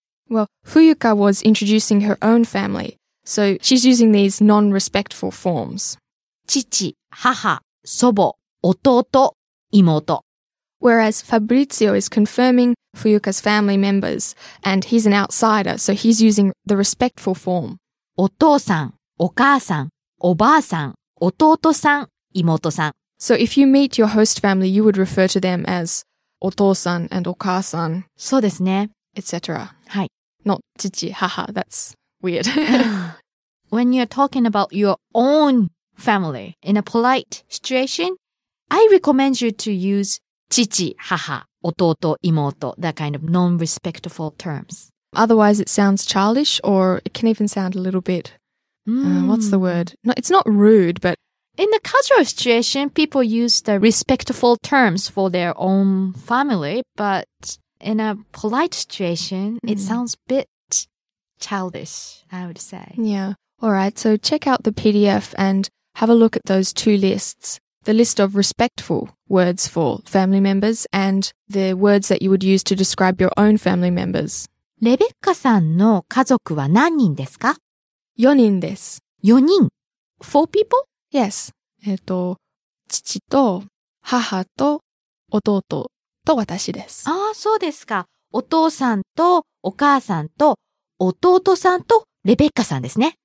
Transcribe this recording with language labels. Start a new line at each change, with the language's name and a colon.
English: Well, Fuyuka was introducing her own family, so she's using these non-respectful forms.
Japanese: 父、母、祖母、弟、妹。
English: Whereas Fabrizio is confirming Fuyuka's family members, and he's an outsider, so he's using the respectful form.
Japanese: お父さん、お母さん、おばあさん、弟さん、妹さん。
English: So if you meet your host family, you would refer to them as お父さん and お母さん。
Japanese: そうですね。
English: Etc.
Japanese: はい。
English: Not 父、母。That's weird. When you're talking about your own family in a polite situation, I recommend you to use父、母、弟、妹, that kind of non-respectful terms. Otherwise, it sounds childish, or it can even sound a little bit... what's the word? No, it's not rude, but... In the casual situation, people use the respectful terms for their own family, but in a polite situation, it sounds a bit childish, I would say. Yeah. All right, so check out the PDF and have a look at those two lists. The list of respectful words for family members and the words that you would use to describe your own family members.
Japanese: レベッカさんの家族は何人ですか ?4人です。
English: 4人 ?4 people?
Japanese: Yes. 父と母と弟と私です。ああ、そうですか。お父さんとお母さんと弟さんとレベッカさんですね。